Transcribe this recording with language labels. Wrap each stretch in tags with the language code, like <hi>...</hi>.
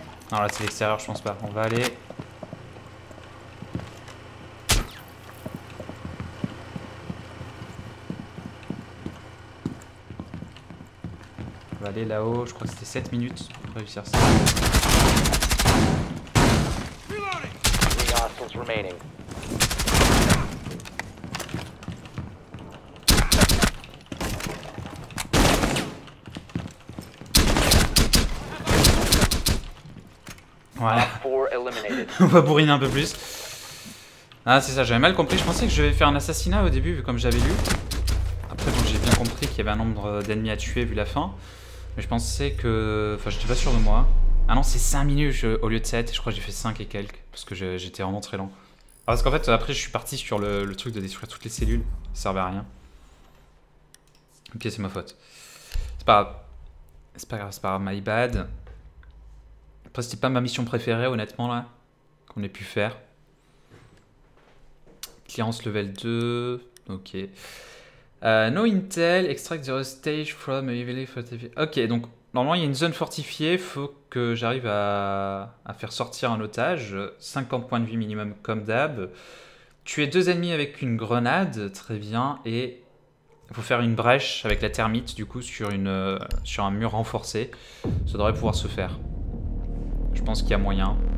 <fr>Non, là c'est l'extérieur, je pense pas. On va aller. On va aller là-haut. Je crois que c'était 7 minutes pour réussir ça.</fr> <en>Reloading. 3 hostiles remaining.</en> <fr>Voilà. On va bourriner un peu plus. Ah, c'est ça, j'avais mal compris. Je pensais que je vais faire un assassinat au début, vu comme j'avais lu. Après, bon, j'ai bien compris qu'il y avait un nombre d'ennemis à tuer, vu la fin. Mais je pensais que... Enfin, j'étais pas sûr de moi. Ah non, c'est 5 minutes au lieu de 7. Je crois que j'ai fait 5 et quelques, parce que j'étais vraiment très lent. Ah, parce qu'en fait, après, je suis parti sur le truc de détruire toutes les cellules. Ça servait à rien. Ok, c'est ma faute. C'est pas grave,</fr> <en>my bad.</en> <fr>Après, c'était pas ma mission préférée, honnêtement, là, qu'on ait pu faire.</fr> <en>Clearance level 2, ok. No intel, extract the stage from a heavily fortified.</en> <fr>Ok, donc, normalement, il y a une zone fortifiée, faut que j'arrive à faire sortir un otage. 50 points de vie minimum, comme d'hab. Tuer deux ennemis avec une grenade, très bien, et faut faire une brèche avec la thermite, du coup, sur un mur renforcé. Ça devrait pouvoir se faire. Je pense qu'il y a moyen.</fr>